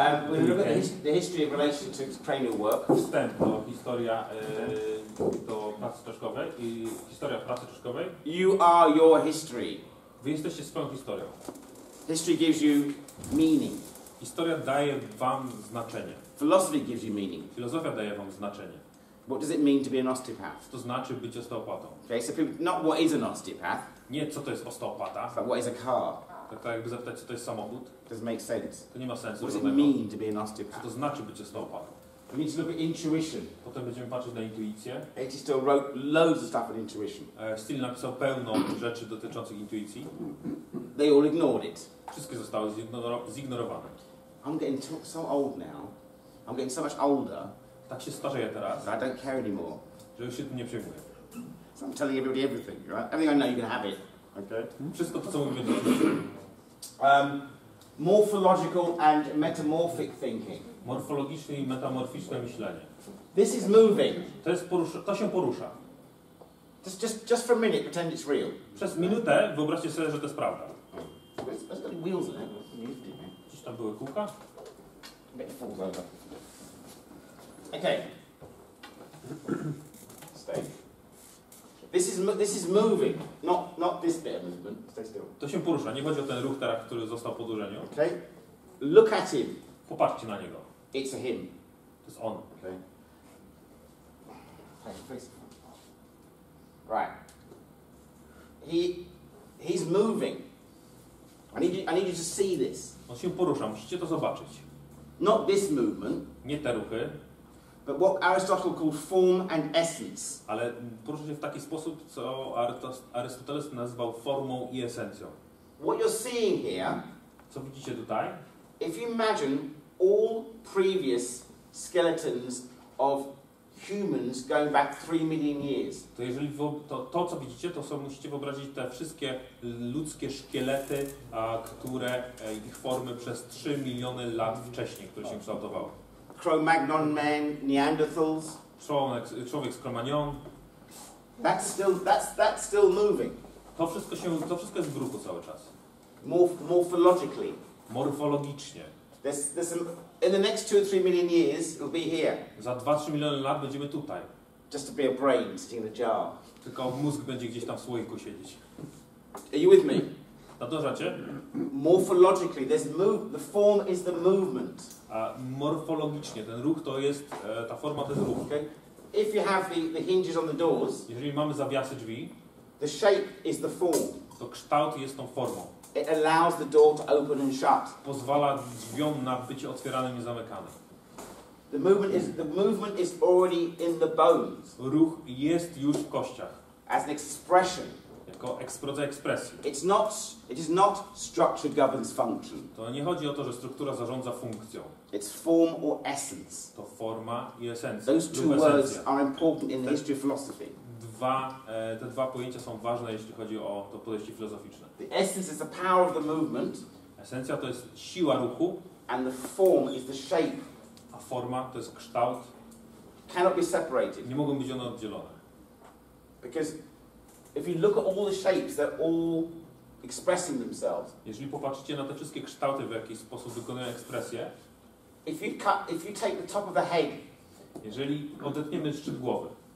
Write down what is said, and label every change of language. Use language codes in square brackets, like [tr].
[en] We'll look at the history of relation to cranial work. [pl] Wstęp do historia do pracy czaszkowej i historia pracy czaszkowej. [en] You are your history. [pl] Wy jesteście swoją historią. [en] History gives you meaning. [pl] Historia daje wam znaczenie. [en] Philosophy gives you meaning. [pl] Filozofia daje wam znaczenie. [en] What does it mean to be an osteopath? [pl] To znaczy być osteopatą. [en] Okay, so people, not what is an osteopath. [pl] Nie, co to jest osteopata. [en] But what is a car? [pl] Tak jakby zapytać, co to jest samochód. [en] Does it make sense? [pl] To nie ma sensu. [en] What does it mean to be an osteopath? [pl] Co to znaczy być osteopatą? [en] We need to look at intuition. [pl] Potem będziemy patrzeć na intuicję. [en] He still wrote loads of stuff on intuition. [pl] Still napisał pełno rzeczy dotyczących intuicji. [en] They all ignored it. [pl] Wszystkie zostały zignorowane. [en] I'm getting so old now. I'm getting so much older. [pl] Tak się starzeję teraz. [en] I don't care anymore. [pl] Że już się tym nie przejmuję. [en] So I'm telling everybody everything, right? Everything I know, you can have it. Okay. [pl] Wszystko to, co mówię, to [en] morphological and metamorphic thinking. [pl] Morfologiczne i metamorficzne myślenie. [en] This is moving. [pl] To jest to się porusza. [en] Just for a minute, pretend it's real. [pl] Przez minutę wyobraźcie sobie, że to jest prawda. [en] There's got wheels in it. [pl] Gdzieś tam były kółka? [en] Okay. Stay. This is moving. Not this bit of movement. Stay still. [pl] To się porusza. Nie chodzi o ten ruch teraz, który został po dłużeniu. [en] Okay. Look at him. [pl] Popatrzcie na niego. [en] It's a him. [pl] To jest on. [en] Okay. Right. He's moving. I need you to see this. [pl] On się porusza. Musicie to zobaczyć. [en] Not this movement. [pl] Nie te ruchy. [en] But what Aristotle called form and essence. [pl] Ale porusza się w taki sposób, co Arystoteles nazwał formą i esencją. [en] What you're seeing here. [pl] Co widzicie tutaj? [en] If you imagine all previous skeletons of humans going back 3 million years. [pl] To jeżeli to co widzicie, to są, musicie wyobrazić te wszystkie ludzkie szkielety, które ich formy przez 3 miliony lat wcześniej, które się kształtowały. [en] Cro-Magnon men, Neanderthals. [pl] Człowiek z Cro-Magnon. [en] That's still moving. [pl] To wszystko jest w ruchu cały czas. [en] Morphologically. [pl] Morfologicznie. [en] There's some, in the next 2-3 million years, it'll be here. [pl] Za 2-3 miliony lat będziemy tutaj. [en] Just to be a brain sitting in a jar. [pl] Tylko mózg będzie gdzieś tam w słoiku siedzieć. [en] Are you with me? [pl] Nadążacie? [en] Morphologically, the form is the movement. [pl] Morfologicznie, ten ruch to jest, ta forma to jest ruch. [en] Okay. If you have the hinges on the doors, [pl] jeżeli mamy zawiasy drzwi, [en] the shape is the form. [pl] To kształt jest tą formą. [en] It allows the door to open and shut. [pl] Pozwala drzwiom na być otwieranym i zamykanym. [en] The movement is already in the bones. [pl] Ruch jest już w kościach. [en] As an expression. [pl] Jako rodzaj ekspresji. [en] It is not structure governs function. [pl] To nie chodzi o to, że struktura zarządza funkcją. [en] It's form or essence. [pl] To forma i esencja. [en] Those two words are important in the history of philosophy. [pl] Te dwa pojęcia są ważne, jeśli chodzi o to podejście filozoficzne. [en] The essence is the power of the movement. [pl] Esencja to jest siła ruchu. [en] And the form is the shape [pl] a forma to jest kształt. [en] Cannot be separated. [pl] Nie mogą być one oddzielone. [en] Because if you look at all the shapes, they're all expressing themselves. [pl] Jeżeli popatrzycie na te wszystkie kształty, w jaki sposób wykonują ekspresję. [en] If you take the top of the head. [pl] Jeżeli odetniemy szczyt głowy.